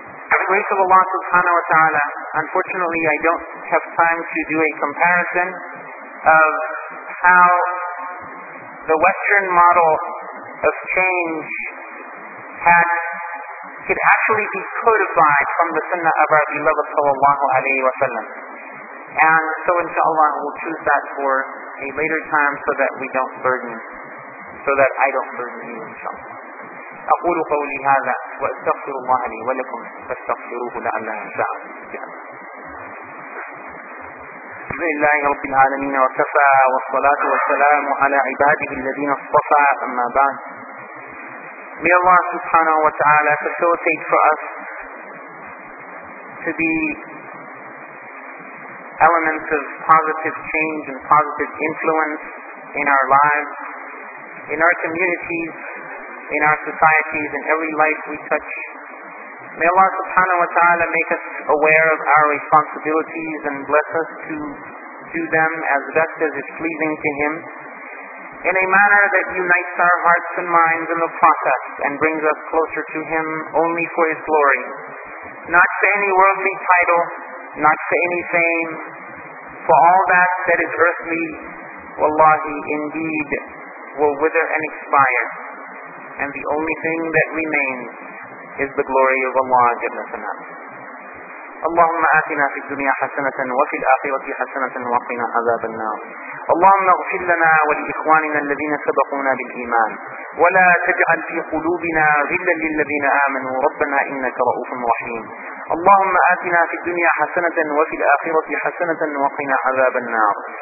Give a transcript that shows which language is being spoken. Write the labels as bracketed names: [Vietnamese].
[English] The grace of Allah subhanahu wa ta'ala, unfortunately I don't have time to do a comparison of how the Western model of change had, could actually be codified from the sunnah of our beloved sallallahu alayhi wa sallam. And so inshallah we'll choose that for a later time so that I don't burden you inshallah. [Arabic] أقول قولي هذا وأستغفر الله لي ولكم فاستغفروه لعله سعب بسم الله رب العالمين وكفى والصلاة والسلام على عباده الذين اصطفى أما بعد. [English] May Allah subhanahu wa ta'ala facilitate for us to be elements of positive change and positive influence in our lives, in our communities, in our societies, in every life we touch. May Allah subhanahu wa ta'ala make us aware of our responsibilities and bless us to do them as best as is pleasing to Him, in a manner that unites our hearts and minds in the process and brings us closer to Him only for His glory. not for any worldly title, not for any fame, for all that that is earthly, wallahi, indeed, will wither and expire, and the only thing that remains is the glory of Allah Jalla Sanat. [Arabic] اللهم آتنا في الدنيا حسنة وفي الآخرة حسنة وقنا عذاب النار اللهم اغفر لنا ولإخواننا الذين سبقونا بالإيمان ولا تجعل في قلوبنا غلا للذين آمنوا ربنا إنك رؤوف رحيم اللهم آتنا في الدنيا حسنة وفي الآخرة حسنة وقنا عذاب النار